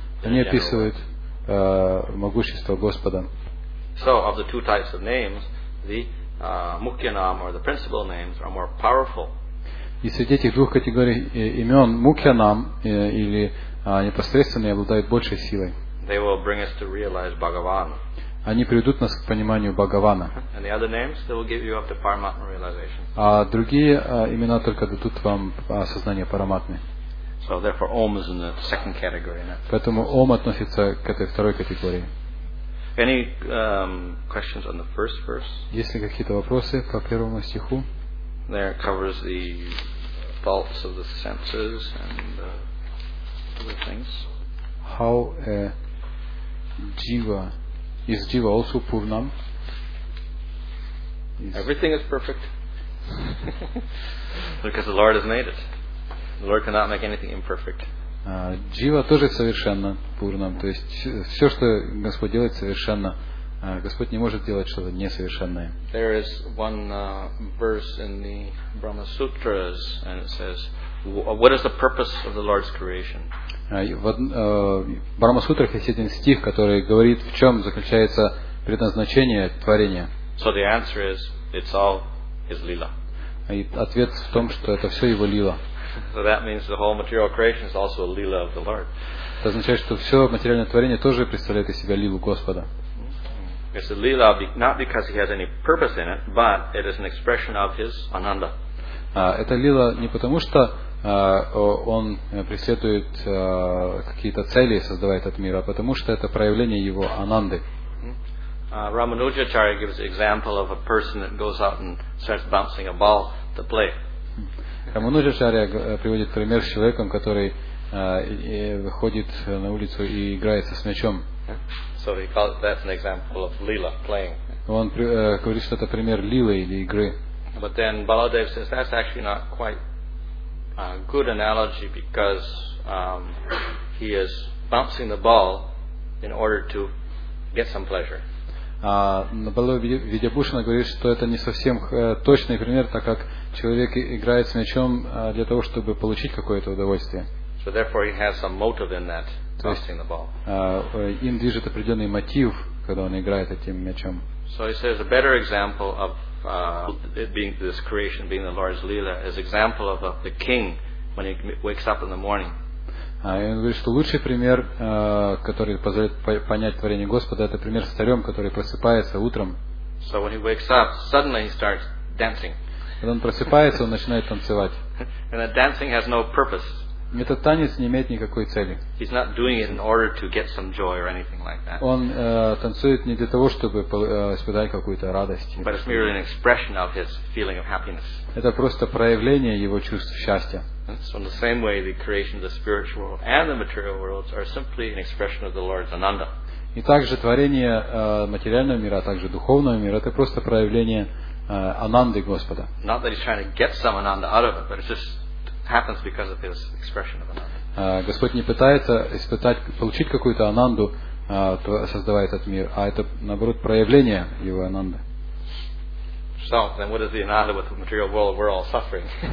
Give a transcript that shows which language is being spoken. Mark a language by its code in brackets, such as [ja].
[ru] Они описывают могущество Господа. [en] So of the two types of names, the mukhya nam or the principal names are more powerful. [ru] И среди этих двух категорий имен mukhya nam или непосредственно обладают большей силой. [en] They will bring us to realize Bhagavan. [ru] Они приведут нас к пониманию Бхагавана. [en] And the other names, they will give you up to Paramatma realization. [ru] А другие имена только дадут вам осознание Параматмы. [en] So therefore, Om is in the second category. [ru] Поэтому Ом относится к этой второй категории. [en] Any questions on the first verse? [ru] Есть ли какие-то вопросы по первому стиху? [en] There it covers the faults of the senses and things. How a jiva is jiva also purnam? Everything is perfect because the Lord has made it. The Lord cannot make anything imperfect. [ru] Jiva тоже совершенно пурнам, то есть все, что Господь делает, совершенно. Господь не может делать что-то несовершенное. [en] There is one verse in the Brahma Sutras, and it says, "What is the purpose of the Lord's creation?" [ru] В Брахмасутрах есть один стих, который говорит, в чем заключается предназначение творения. [en] So the answer is, it's all his lila. [ru] И ответ в том, что это все его лила. [en] So that means the whole material creation is also a lila of the Lord. [ru] Это означает, что все материальное творение тоже представляет из себя лилу Господа. [en] It's a lila not because he has any purpose in it, but it is an expression of his ananda. [ru] Это лила не потому что он преследует какие-то цели, создавая этот мир, а потому что это проявление его ананды. [en] Рамануджачарья gives the example of a person that goes out and starts bouncing a ball to play. [ru] Рамануджачарья приводит пример с человеком, который выходит на улицу и играется с мячом. [en] So he calls that an example of lila playing. [ru] Он говорит, что это пример лилы или игры. [en] But then Baladev says that's actually not quite a good analogy because he is bouncing the ball in order to get some pleasure. [ru] Видябушина говорит, что это не совсем точный пример, так как человек играет с мячом для того, чтобы получить какое-то удовольствие. [en] So therefore he has some motive in that, bouncing the ball. [ru] Им движет определенный мотив, когда он играет этим мячом. [en] So he says a better example of it being this creation being the Lord's lila is example of the king when he wakes up in the morning. [ru] И он говорит, что лучший пример, который позволяет понять творение Господа, это пример с царем, который просыпается утром. [en] So when he wakes up, suddenly he starts dancing. [ru] Когда он просыпается, он начинает танцевать. [en] And that dancing has no purpose. [ru] Этот танец не имеет никакой цели. [en] He's not doing it in order to get some joy or anything like that. [ru] Он танцует не для того, чтобы испытать какую-то радость. [en] But it's merely an expression of his feeling of happiness. [ru] Это просто проявление его чувств счастья. [en] So in the same way, the creation of the spiritual world and the material worlds are simply an expression of the Lord's Ananda. [ru] И также творение материального мира, а также духовного мира, это просто проявление Ананды Господа. [en] Not that he's trying to get some Ananda out of it, but it's just happens because of his expression of Ananda. [ru] Господь не пытается испытать, получить какую-то Ананду, создавая этот мир, а это, наоборот, проявление его Ананды. [en] So, then what is the Ananda with the material world we're all suffering?